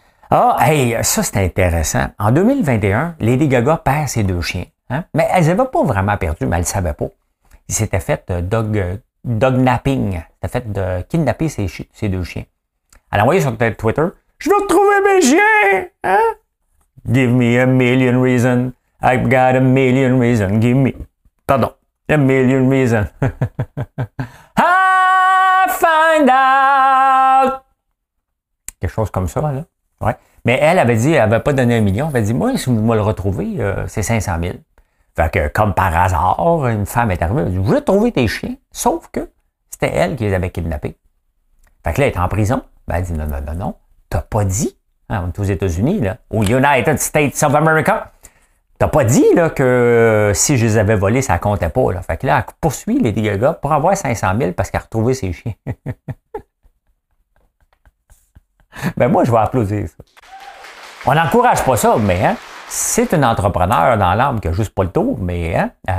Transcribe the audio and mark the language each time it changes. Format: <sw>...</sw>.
<fr>Ah, hey, ça, c'est intéressant. En 2021, Lady Gaga perd ses deux chiens. Hein? Mais elle ne les avait pas vraiment perdus, mais elle ne le savait pas. Il s'était fait dog-napping. Il s'était fait de kidnapper ses deux chiens. Elle a envoyé sur Twitter, « Je veux retrouver mes chiens!</fr> <en>Hein? »« Give me a million reasons. I've got a million reasons. Give me... »</en> <fr>Pardon,</fr> <en>a million reasons. I find out.</en> <fr>Quelque chose comme ça, là. Ouais. Mais elle avait dit, elle n'avait pas donné un million. Elle avait dit, moi, si vous me le retrouvez, c'est 500 000. Fait que, comme par hasard, une femme est arrivée. Elle a dit, j'ai trouvé tes chiens. Sauf que c'était elle qui les avait kidnappés. Fait que là, elle est en prison. Ben, elle dit, non. T'as pas dit. Hein, on est aux États-Unis, là.</fr> <en>Aux United States of America.</en> <fr>T'as pas dit là que si je les avais volés, ça comptait pas. Là. Fait que là, elle poursuit Lady Gaga pour avoir 500 000 parce qu'elle a retrouvé ses chiens. Ben moi, je vais applaudir ça. On n'encourage pas ça, mais hein, c'est un entrepreneur dans l'âme qui a juste pas le tour, mais hein.</fr>